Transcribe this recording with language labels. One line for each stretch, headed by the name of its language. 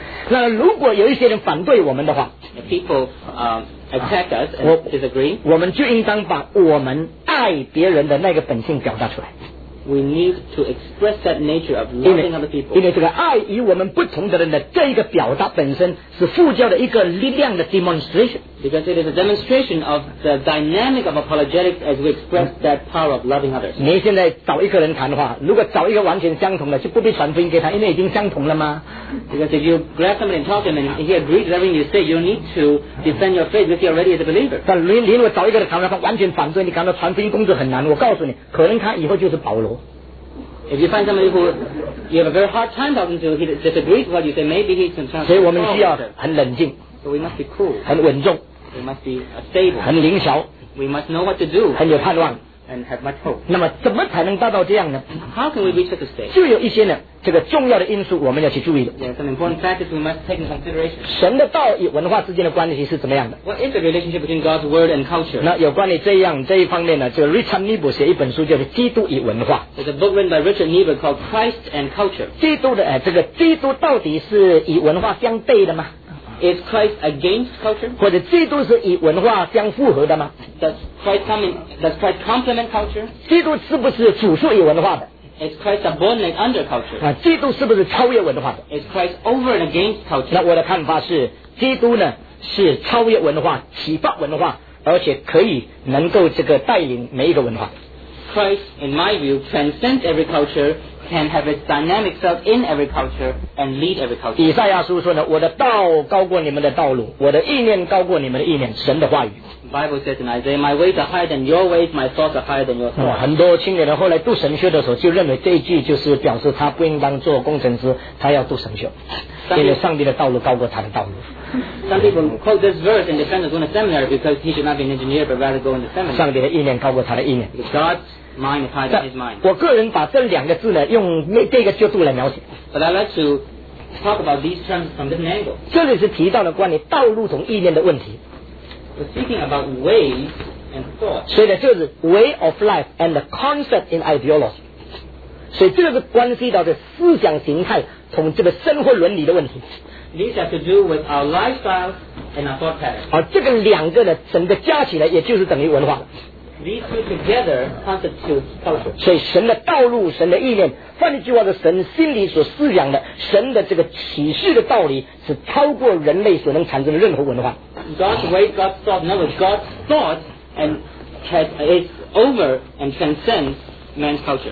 Chinese: 那如果有一些人反对我们的话
English: people attack us and disagree,
Chinese: 我们就应当把我们爱别人的那个本性表达出来。
English: We need to express that nature of loving other people.
Chinese: 因为这个爱与我们不同的人的这一个表达本身是复教的一个力量的 demonstration.
English: Because it is a demonstration of the dynamic of apologetics as we express that power of loving others.
Chinese: 你现在找一个人谈话，如果找一个完全相同的，就不必传福音给他，因为已经相同了吗？
English: Because if you grab somebody and talk to him and he agrees with everything you say, you need to defend your faith if he already is a believer.
Chinese: 但你如果找一个人谈话，他完全反对，你感到传福音工作很难，我告诉你，可能他以后就是保罗。
English: If you find somebody who you have a very hard time talking to, he disagrees with what you say, maybe he's in trouble.
Chinese: 所以我们需要很冷静。
English: So we must be cool.
Chinese: 很稳重。
English: We must be stable.
Chinese: 很灵巧。
English: We must know what to do.
Chinese: 很有盼望。
English: and have much hope.
Chinese: 那么怎么才能达到这样呢？
English: How can we reach such a state?
Chinese: 就有一些呢，这个重要的因素我们要去注意的。
English: There are some important factors we must take into consideration.
Chinese: 神的道与文化之间的关系是怎么样的？
English: What is the relationship between God's word and culture?
Chinese: 那有关于这样这一方面呢，这个 Richard Niebuhr 写一本书叫做《基督与文化》。
English: There's a book written by Richard Niebuhr called Christ and Culture.
Chinese: 基督的这个基督到底是与文化相悖的吗？
English: Is Christ against culture?
Chinese: 或者基督是与文化相符合的吗？
English: Does Christ complement culture?
Chinese: 基督是不是主属于文化的？
English: Is Christ subordinate under culture?
Chinese: 基督是不是超越文化的？
English: Is Christ over and against culture?
Chinese: 那我的看法是，基督呢，是超越文化，启发文化，而且可以能够这个带领每一个文化。
English: Christ, in my view, transcends every culture. Can have its dynamic self in every culture and lead every culture.
Chinese: 以赛亚书说呢，我的道高过你们的道路，我的意念高过你们的意念。神的话语。
English: Bible says in Isaiah, My ways are higher than your ways, My thoughts are higher than your thoughts.、
Chinese: 很多青年人后来读神学的时候，就认为这一句就是表示他不应当做工程师，他要读神学，因为上帝的道路高过他的道路。
English: Some people quote this verse in defense of going to seminary because he should not be an engineer but rather go into seminary.
Chinese: 上帝的意念高过他的意念。
English: God. Mind is higher than his mind.
Chinese: 我个人把这两个字呢，用那这个角度来描写。
English: But I'd like to talk about these terms from different angles.
Chinese: 这里是提到了关于道路同意念的问题。
English: We're speaking about way and thought.
Chinese: 所以呢，就是
English: way of life and the concept in ideology.
Chinese: 所以这个是关系到的思想形态同这个生活伦理的问题。
English: These have to do with our lifestyle and our thought pattern.
Chinese: 而这个两个呢，整个加起来也就是等于文化了。
English: These two together constitute culture.
Chinese: 所以神的道路，神的意念，换句话说，神心里所思想的，神的这个启示的道理，是超过人类所能产生的任何文化。
English: God's way, God's thought, in other words, God's thought and is over and transcends man's culture.